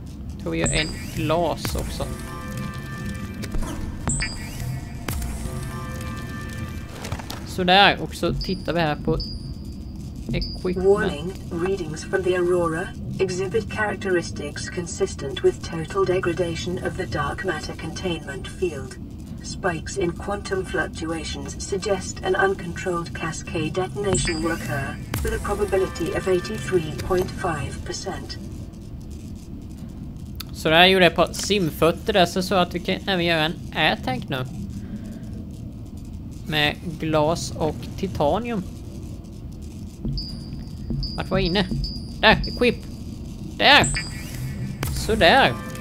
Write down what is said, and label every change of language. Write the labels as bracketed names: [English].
[Swedish] Jag tror vi gör en glas också. Sådär, och så tittar vi här på Equipment. [English] Warning, readings from the Aurora, exhibit characteristics consistent with total degradation of the dark matter containment field. Spikes in quantum fluctuations suggest an uncontrolled cascade detonation will occur, with a probability of 83.5%. [Swedish] Så det här gjorde jag på simfötter där, så att vi kan även göra en airtank nu. Med glas och titanium. Vart var inne? Där, equip! Där! Sådär!